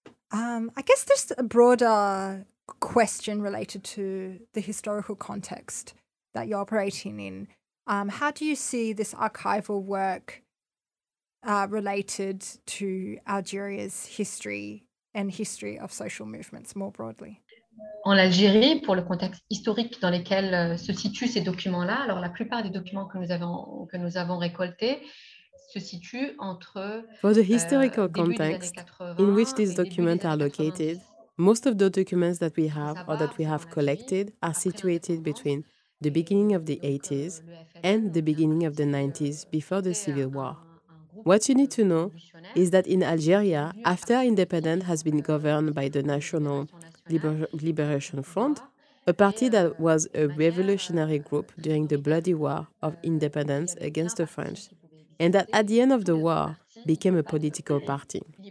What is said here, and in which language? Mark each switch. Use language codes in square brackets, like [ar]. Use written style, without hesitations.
[en] I guess just a broader question related to the historical context that you're operating in. How do you see this archival work related to Algeria's history and history of social movements more broadly? [fr] En Algérie, pour le contexte historique dans lequel se situent ces documents-là, alors la plupart des documents que nous avons récoltés se situent entre [en] For the historical context in which these documents are located, most of the documents that we have or that we have collected are situated between the beginning of the 80s and the beginning of the 90s before the Civil War. What you need to know is that in Algeria, after independence has been governed by the National Liberation Front, a party that was a revolutionary group during the bloody war of independence against the French, and that at the end of the war became a political party.